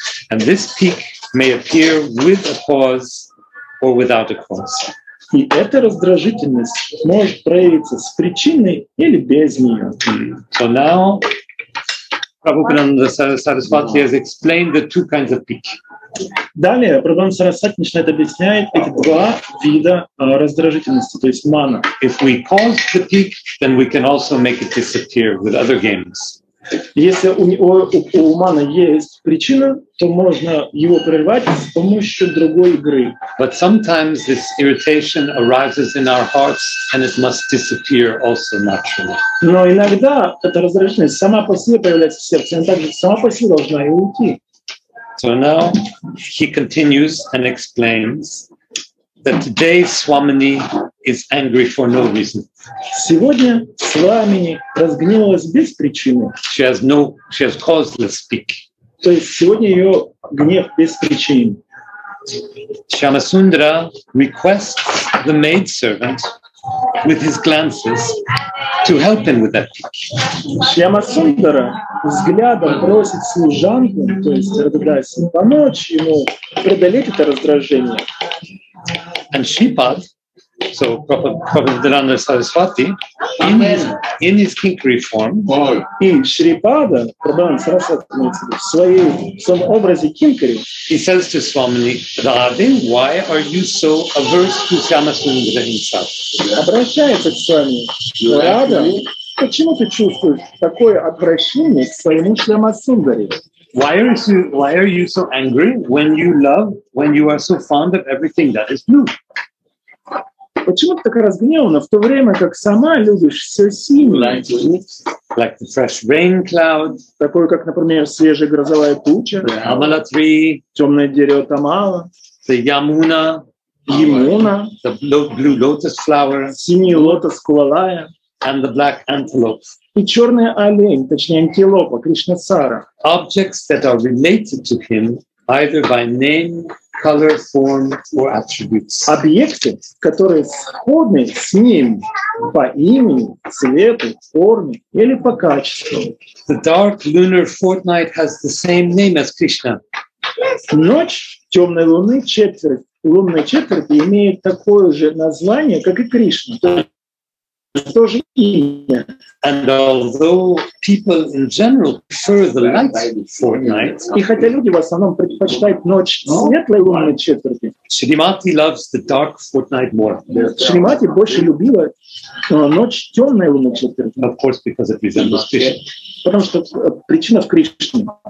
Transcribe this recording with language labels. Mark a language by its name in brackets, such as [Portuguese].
[English] And this peak may appear with a cause or without a cause. [Russian] И эта раздражительность может проявиться с причиной или без нее. [English] So now Prabhupada Sarasvati has explained the two kinds of peak. [Russian] Далее Прабхупада Сарасвати начинает объяснять эти два вида раздражительности, то есть мана. [English] If we cause the peak, then we can also make it disappear with other games. [Russian] Если у мана есть причина, то можно его прервать с помощью другой игры. [English] But sometimes this irritation arises in our hearts, and it must disappear also naturally. [Russian] Но иногда эта раздражительность сама по себе появляется в сердце, она также сама по себе должна и уйти. [English] So now he continues and explains that today Swamini is angry for no reason. [Russian] Сегодня Свамини разгневалась без причины. [English] She has causeless peak. [Russian] То есть сегодня ее гнев без причин. [English] Shyamasundara requests the maid servant with his glances to help him with that peak. [Russian] Shyamasundara взглядом просит служанку, то есть Радхадаси, помочь ему преодолеть это раздражение. [English] And Shripad, so Prabhupada Sarasvati, in his kink reform, [Russian] и Шрипада, Прабхупада Сарасвати, в своем образе кинкари, [English] he says to Swamini, Radhe, why are you so averse to Shyamasundara himself? [Russian] Обращается к Свами, Радхе, почему ты чувствуешь такое отвращение к своему Шрямасундаре? [English] Why are you so angry when you love, when you are so fond of everything that is blue? [Russian] Почему ты так разгневана в то время, как сама любишь все синее? [English] Like the fresh rain cloud. [Russian] Такое, как, например, свежая грозовая туча. [English] The amala tree. [Russian] Темное дерево тамала. [English] The yamuna. [Russian] Yamuna. [English] The blue lotus flower. [Russian] Синий лотос кувалая. [English] And the black antelope. [Russian] И черная олень, точнее антилопа, Кришнасара. [English] Objects that are related to him either by name, color, form or attributes. [Russian] Объекты, которые сходны с ним по имени, цвету, форме или по качеству. [English] The dark lunar fortnight has the same name as Krishna. [Russian] Ночь темной луны, лунной четверти имеет такое же название, как и Кришна. Тоже имя. [English] And although people in general prefer the light fortnight, [Russian] и хотя люди в основном предпочитают ночь светлой лунной четверти, [English] Шримати loves the dark fortnight more. [Russian] Шримати больше любила ночь темной лунной четверти. [English] Of course, because it resembles Krishna. [Russian] Потому что причина в Кришне.